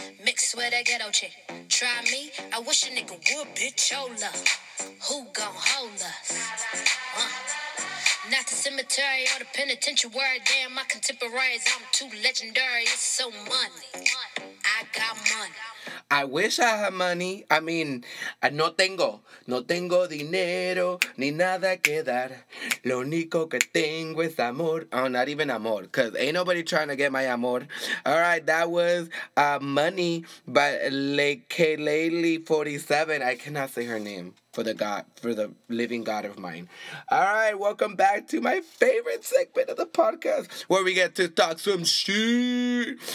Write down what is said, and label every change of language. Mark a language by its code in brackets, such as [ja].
[en] Mixed with a ghetto chick. Try me. I wish a nigga would bitch your love. Who gon' hold us? Not the cemetery or the penitentiary. Damn, my contemporaries, I'm too legendary. It's so money. I got money. I wish I had money. I mean, [es] no tengo dinero ni nada que dar. Lo único que tengo es amor. [en] Oh, not even amor, because ain't nobody trying to get my amor. All right, that was Money by Lekeleli 47. I cannot say her name for the living God of mine. All right, welcome back to my favorite segment of the podcast where we get to talk some shit.